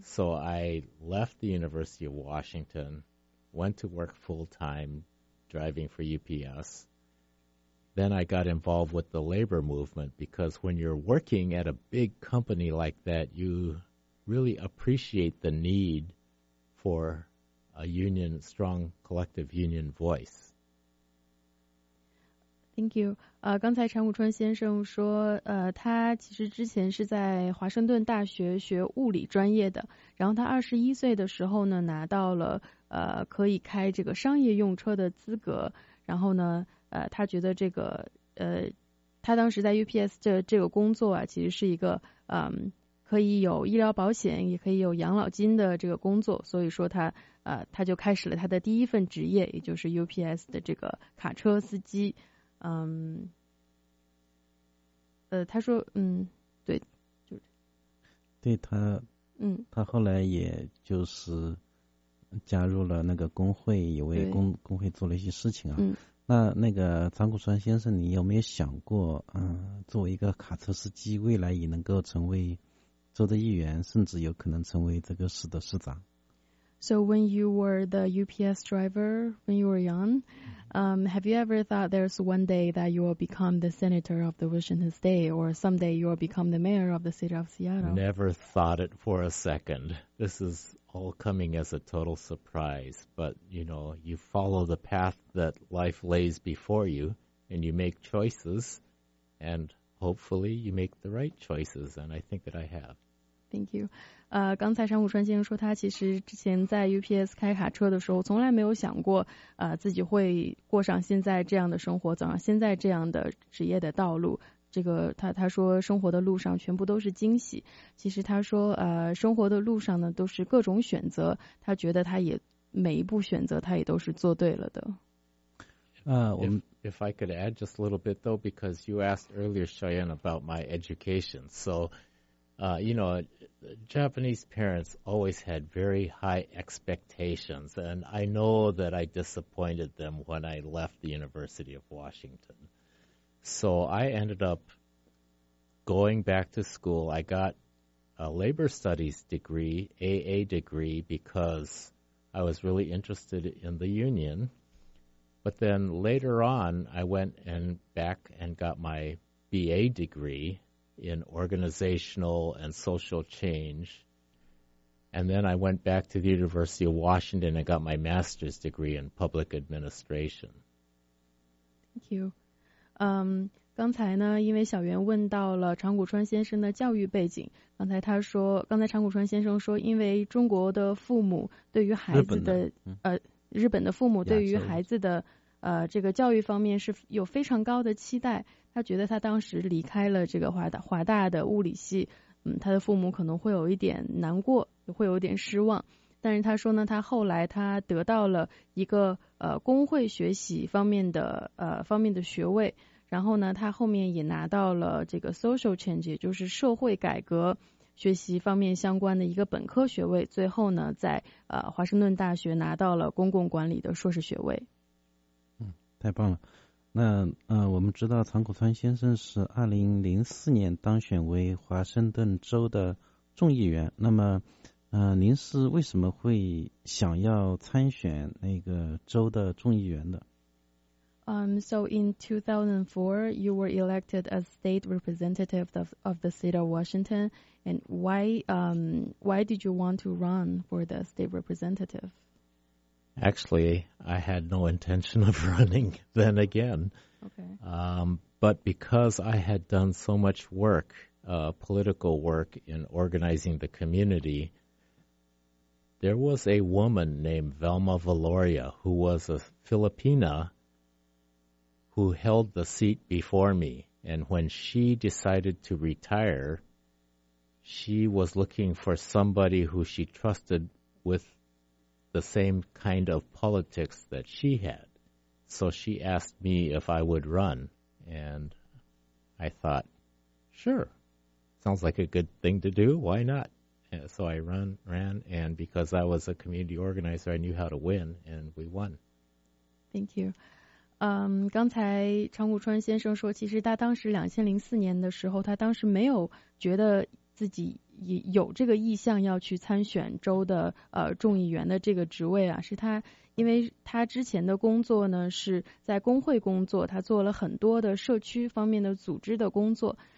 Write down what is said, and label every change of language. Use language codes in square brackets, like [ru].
[en] So I left the University of Washington, went to work full-time driving for UPS. Then I got involved with the labor movement, because when you're working at a big company like that, you really appreciate the need for a union, strong collective union voice. Thank you. [zh] 刚才陈武春先生说，他其实之前是在华盛顿大学学物理专业的，然后他21岁的时候呢，拿到了可以开这个商业用车的资格，然后呢，他觉得这个他当时在 UPS 这个工作啊，其实是一个可以有医疗保险，也可以有养老金的这个工作，所以说他就开始了他的第一份职业，也就是 UPS 的这个卡车司机。他说，对，就是，对他，他后来也就是加入了那个工会，也为工会做了一些事情啊。嗯、那个张古川先生，你有没有想过，作为一个卡车司机，未来也能够成为州的议员，甚至有可能成为这个市的市长？ [en] So when you were the UPS driver, when you were young, have you ever thought there's one day that you will become the senator of the Washington State, or someday you will become the mayor of the city of Seattle? Never thought it for a second. This is all coming as a total surprise. But, you know, you follow the path that life lays before you, and you make choices, and hopefully you make the right choices, and I think that I have. Thank you. [zh] 刚才商务川先生说他其实之前在 UPS 开卡车的时候从来没有想过自己会过上现在这样的生活，走上现在这样的职业的道路。这个他说生活的路上全部都是惊喜。其实他说生活的路上呢都是各种选择，他觉得他也每一步选择他也都是做对了的。 [en] If I could add just a little bit though, because you asked earlier, Cheyenne, about my education. So,you know, Japanese parents always had very high expectations, and I know that I disappointed them when I left the University of Washington. So I ended up going back to school. I got a labor studies degree, AA degree, because I was really interested in the union. But then later on, I went back and got my BA degree,in organizational and social change. And then I went back to the University of Washington and got my master's degree in public administration. Thank you. [zh] 刚才呢，因为小袁问到了长谷川先生的教育背景，刚才长谷川先生说，因为中国的父母对于孩子的日本的父母对于孩子的这个教育方面是有非常高的期待，他觉得他当时离开了这个华大的物理系，他的父母可能会有一点难过，会有点失望。但是他说呢，他后来得到了一个工会学习方面的学位，然后呢，他后面也拿到了这个 social change， 就是社会改革学习方面相关的一个本科学位，最后呢，在华盛顿大学拿到了公共管理的硕士学位。太棒了。那我们知道长谷川先生是2004年当选为华盛顿州的众议员。那么您是为什么会想要参选那个州的众议员的？ [en] So in 2004 you were elected as state representative of the state of Washington, and why did you want to run for the state representative? Actually, I had no intention of running then again. Okay. But because I had done so much work, political work in organizing the community, there was a woman named Velma Valoria who was a Filipina who held the seat before me. And when she decided to retire, she was looking for somebody who she trusted with the same kind of politics that she had. So she asked me if I would run, and I thought, sure, sounds like a good thing to do, why not? And so I ran, and because I was a community organizer, I knew how to win, and we won. Thank you. [zh] 刚才长谷川先生说，其实他当时2004年的时候，他当时没有觉得自己有这个意向要去参选州的众议员的这个职位啊，是他因为他之前的工作呢是在工会工作，他做了很多的社区方面的组织的工作。